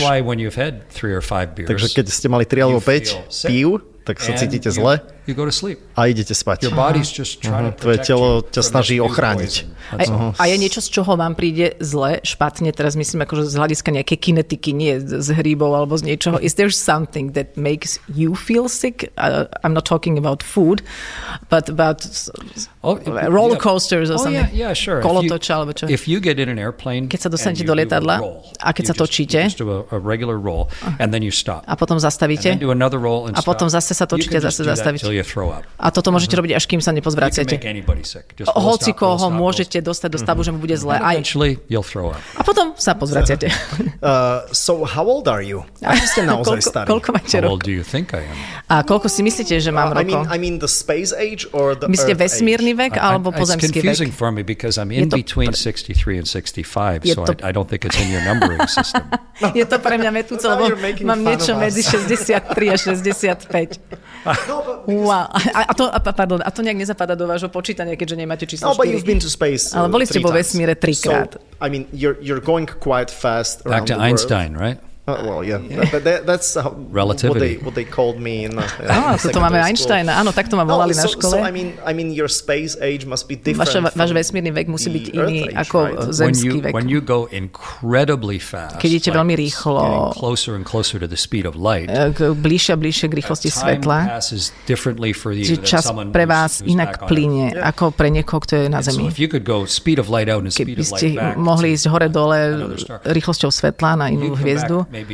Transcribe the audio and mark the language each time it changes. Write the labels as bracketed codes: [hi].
[sk] Takže keď ste mali 3 alebo 5 pív, tak sa cítite zle a idete spať. Tvoje telo ťa snaží ochrániť. A je niečo, z čoho vám príde zle, špatne? Teraz myslím, akože z hľadiska nejakej kinetiky, nie z hríbov alebo z niečoho. [en] Is there something that makes you feel sick? I'm not talking about food, but about roller coasters or something. Oh, yeah, sure. [sk] Kolotoča alebo čo? [en] If you get in an airplane, [sk] keď sa dostanete do lietadla a keď sa točíte, a potom zastavíte a potom zase sa točíte, zase zastavíte. [en] Till you throw up. [sk] A toto môžete robiť, až kým sa nepozvraciate. Hoci koho môžete dostať do stavu, že mu bude zle. A potom sa pozvraciate. [en] So how old are you? [sk] Ako ste naozaj starý? Koľko máte rokov? [en] How old do you think I am? [sk] A koľko si myslíte, že mám rokov? [en] I mean the space age or the [sk] myslíte vesmírny vek alebo pozemský vek? [en] It's confusing for me because I'm in between 63 and 65, so I don't think it's in your numbering system. [sk] Je to pre mňa metúce, lebo mám niečo medzi 63 a 65. Wow. A to nejak nezapadá do vášho počítania, keďže nemáte číslo 4. [en] No, but you've been to space. [sk] Ale boli ste vo vesmíre trikrát. [en] So, I mean, you're going quite fast around back to the Einstein, world. Right? Well, yeah. That's how relativity. What they called me in [sk] to máme Einsteina. Áno, tak to ma volali na škole. [en] So I mean your space age must be different. [sk] Váš vesmírny vek musí byť iný ako zemský vek. [en] When you go incredibly fast. [sk] Keď idete veľmi rýchlo. [en] Closer and closer to the speed of light. [sk] Bližšie a bližšie k rýchlosti svetla. Čas pre vás inak plynie ako pre niekoho, kto je na Zemi. [en] So if you could go speed of light out and speed of light back. [sk] Mohli ísť hore dole rýchlosťou svetla na inú hviezdu.